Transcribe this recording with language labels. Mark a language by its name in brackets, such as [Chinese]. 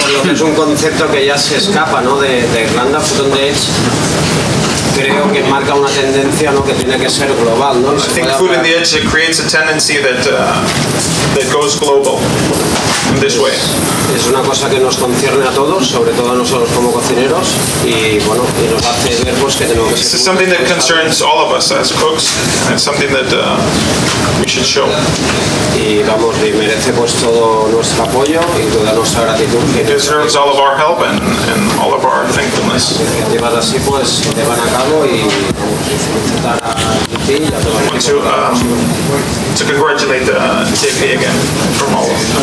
[Spanish] Por lo que es un concepto que ya se escapa, ¿no? De Irlanda, Food on the Edge. Creo que marca una tendencia, ¿no? Que tiene que ser global, ¿no? [English] I think Food on the Edge creates a tendency that goes global in this way. [Spanish] Es una cosa que nos concierne a todos, sobre todo a nosotros como cocineros, y bueno, y nos hace ver pues que tenemos que ser. [English] This is something that concerns all of us as cooks, and something that we should show. [Spanish] Y vamos, y merece pues todo nuestro apoyo y toda nuestra gratitud. [English] It deserves all of our help and all of our thankfulness. [Spanish] Llevar así pues llevan a cabo y felicitar a ti y a todos. [English] To congratulate the JP again from all of